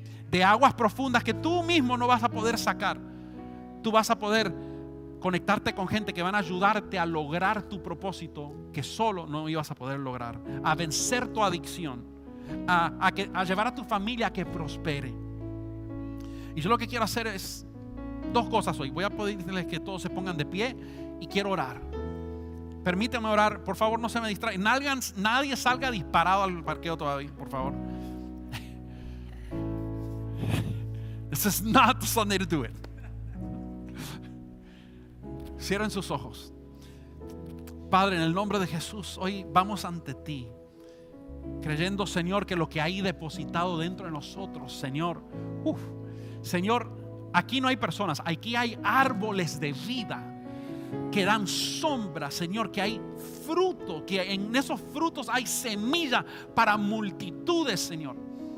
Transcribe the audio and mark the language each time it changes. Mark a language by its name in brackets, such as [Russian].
[Spanish] De aguas profundas que tú mismo no vas a poder sacar, tú vas a poder conectarte con gente que van a ayudarte a lograr tu propósito, que solo no ibas a poder lograr, a vencer tu adicción, a llevar a tu familia a que prospere. Y yo lo que quiero hacer es dos cosas hoy. Voy a pedirles que todos se pongan de pie y quiero orar. Permíteme orar, por favor, no se me distraigan. Nadie salga disparado al parqueo todavía, por favor. [English] This is not the Sunday to do it. [Spanish] Cierren sus ojos. Padre, en el nombre de Jesús, hoy vamos ante ti, creyendo, Señor, que lo que hay depositado dentro de nosotros, Señor, Señor, aquí no hay personas, aquí hay árboles de vida que dan sombra, Señor, que hay fruto, que en esos frutos hay semilla para multitudes, Señor.